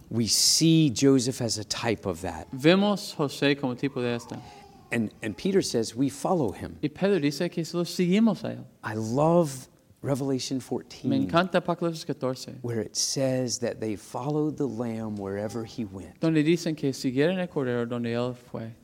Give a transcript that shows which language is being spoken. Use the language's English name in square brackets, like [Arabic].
[English] We see Joseph as a type of that. [Spanish] Vemos José como tipo de esta. [English] And Peter says we follow him. [Spanish] Y Pedro dice que solo seguimos a él. [English] I love Revelation 14. [Spanish] Me encanta Apocalipsis 14. [English] Where it says that they followed the Lamb wherever he went. [Spanish] Donde dicen que siguieron el Cordero donde él fue.